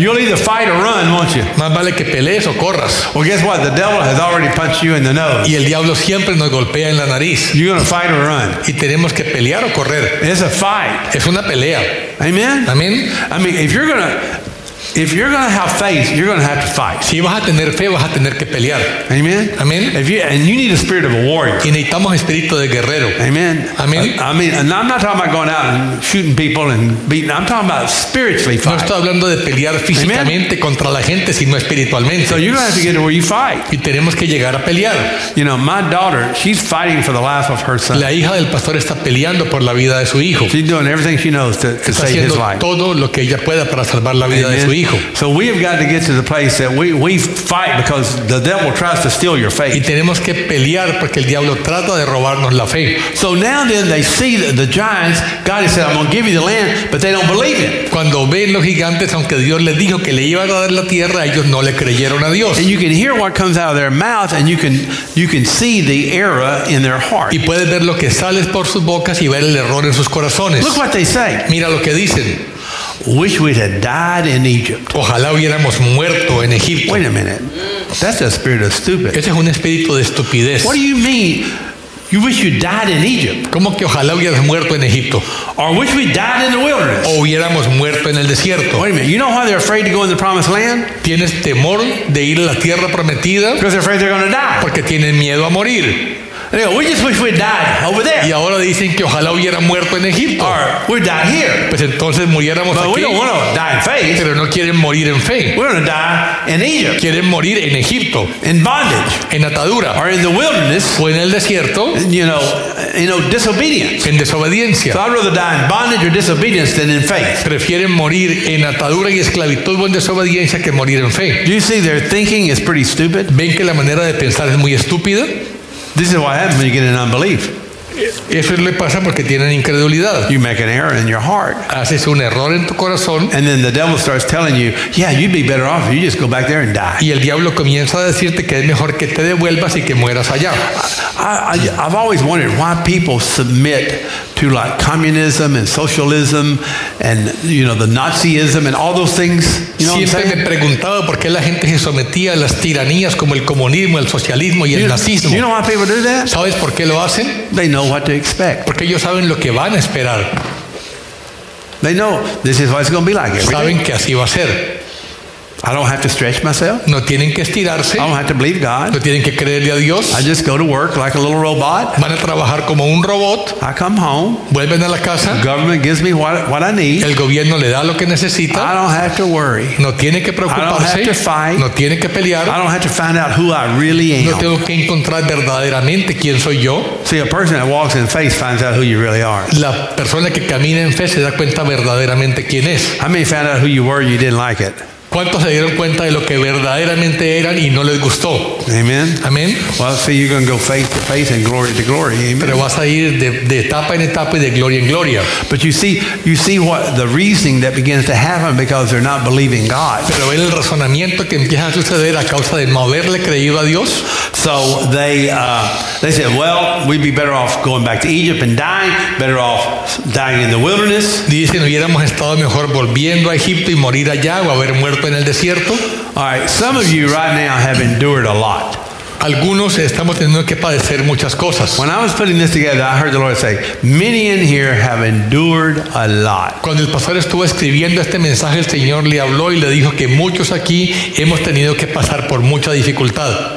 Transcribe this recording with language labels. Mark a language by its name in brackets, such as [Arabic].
[English] You'll either fight or run, won't you? [Spanish] Más vale que pelees o corras. [English] Well, guess what? The devil has already punched you in the nose. [Spanish] Y el diablo siempre nos golpea en la nariz. [English] You're gonna fight or run. [Spanish] Y tenemos que pelear o correr. [English] It's a fight. fight. [Spanish] Es una pelea. [English] Amen. [Spanish] Amen. [English] I mean, if you're gonna have faith, you're gonna have to fight. [Spanish] Si vas a tener fe, vas a tener que pelear. [English] Amen. [Spanish] Amen. [English] And you need a spirit of a warrior. [Spanish] Y necesitamos espíritu de guerrero. [English] Amen. [Spanish] Amen. [English] I mean, and I'm not talking about going out and shooting people and beating. I'm talking about spiritually fighting. [Spanish] No estoy hablando de pelear físicamente contra la gente, sino espiritualmente. [English] So you're gonna have to get to where you fight. [Spanish] Y tenemos que llegar a pelear. [English] You know, my daughter, she's fighting for the life of her son. [Spanish] La hija del pastor está peleando por la vida de su hijo. [English] She's doing everything she knows to save his life. [Spanish] Está haciendo todo lo que ella pueda para salvar la vida de su hijo. [English] So we have got to get to the place that we fight because the devil tries to steal your faith. [Spanish] Y tenemos que pelear porque el diablo trata de robarnos la fe. [English] So now then they see the giants. God has said, "I'm going to give you the land," but they don't believe it. [Spanish] Cuando ven los gigantes, aunque Dios les dijo que le iba a dar la tierra, ellos no le creyeron a Dios. [English] And you can hear what comes out of their mouth, and you can see the error in their heart. [Spanish] Y puedes ver lo que sale por sus bocas y ver el error en sus corazones. [English] Look what they say. [Spanish] Mira lo que dicen. [English] Wish we had died in Egypt. [Spanish] Ojalá hubiéramos muerto en Egipto. [English] Wait a minute. That's a spirit of stupid. [Spanish] Ese es un espíritu de estupidez. [English] What do you mean? You wish you died in Egypt. [Spanish] ¿Cómo que ojalá hubieras muerto en Egipto? [English] Or wish we died in the wilderness. [Spanish] O hubiéramos muerto en el desierto. [English] Wait a minute. You know why they're afraid to go in the promised land? [Spanish] ¿Tienes temor de ir a la tierra prometida? [English] Because they're afraid they're going to die. [Spanish] Porque tienen miedo a morir. [English] They go, we just wish we'd died over there. [Spanish] Y ahora dicen que ojalá hubiera muerto en Egipto. [English] Or we'd die here. [Spanish] Pues entonces muriéramos aquí. [English] But we don't want to die in faith. [Spanish] Pero no quieren morir en fe. [English] We're going to die in Egypt. [Spanish] Quieren morir en Egipto. [English] In bondage. [Spanish] En atadura. [English] Or in the wilderness. [Spanish] O en el desierto. [English] You know, disobedience. [Spanish] En desobediencia. [English] So I'd rather die in bondage or disobedience than in faith. [Spanish] Prefieren morir en atadura y esclavitud o en desobediencia que morir en fe. [English] Do you see their thinking is pretty stupid? [Spanish] ¿Ven que la manera de pensar es muy estúpida? [English] This is what happens when you get in unbelief. [Spanish] Eso le pasa porque tienen incredulidad. [English] You make an error in your heart. [Spanish] Haces un error en tu corazón. [English] And then the devil starts telling you, yeah, you'd be better off if you just go back there and die. [Spanish] Y el diablo comienza a decirte que es mejor que te devuelvas y que mueras allá. [English] I've always wondered why people submit to like communism and socialism and you know the Nazism and all those things. You know, [Spanish] siempre me he preguntado por qué la gente se sometía a las tiranías como el comunismo, el socialismo y el nazismo. [English] You know why people do that? [Spanish] ¿Sabes por qué lo hacen? [English] They know what to expect. [Spanish] Porque ellos saben lo que van a esperar. [English] They know this is what it's going to be like. [Spanish] Saben que así va a ser. [English] I don't have to stretch myself. [Spanish] No tienen que estirarse. [English] I don't have to believe God. [Spanish] No tienen que creerle a Dios. [English] I just go to work like a little robot. [Spanish] Van a trabajar como un robot. [English] I come home. [Spanish] Vuelven a la casa. [English] The government gives me what I need. [Spanish] El gobierno le da lo que necesita. [English] I don't have to worry. [Spanish] No tiene que preocuparse. [English] I don't have to fight. [Spanish] No tiene que pelear. [English] I don't have to find out who I really am. [Spanish] No tengo que encontrar verdaderamente quién soy yo. [English] See, a person that walks in faith finds out who you really are. [Spanish] La persona que camina en fe se da cuenta verdaderamente quién es. [English] I may find out who you were, you didn't like it. [Spanish] ¿Cuántos se dieron cuenta de lo que verdaderamente eran y no les gustó? [English] Amen. [Spanish] Amen. [English] Well, see, you're going to go faith to faith and glory to glory. Amen. [Spanish] Pero vas a ir de etapa en etapa y de gloria en gloria. [English] But you see what the reasoning that begins to happen because they're not believing God. [Spanish] Pero ven el razonamiento que empieza a suceder a causa de no haberle creído a Dios. [English] So they said, well, we'd be better off going back to Egypt and dying, better off dying in the wilderness. [Spanish] Dicen, hubiéramos estado mejor volviendo a Egipto y morir allá o haber muerto. En el desierto. [English] All right, some of you right now have endured a lot. [Spanish] Algunos estamos teniendo que padecer muchas cosas. [English] When I was putting this together, I heard the Lord say, many in here have endured a lot. [Spanish] Cuando el pastor estuvo escribiendo este mensaje, el Señor le habló y le dijo que muchos aquí hemos tenido que pasar por mucha dificultad.